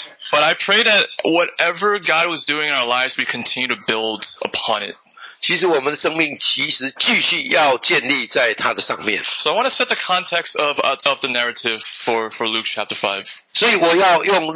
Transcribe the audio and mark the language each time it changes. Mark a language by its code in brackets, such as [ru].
[en] But I pray that whatever God was doing in our lives, we continue to build upon it. [zh] 其实我们的生命其实继续要建立在他的上面。 [en] So I want to set the context of the narrative for Luke chapter 5.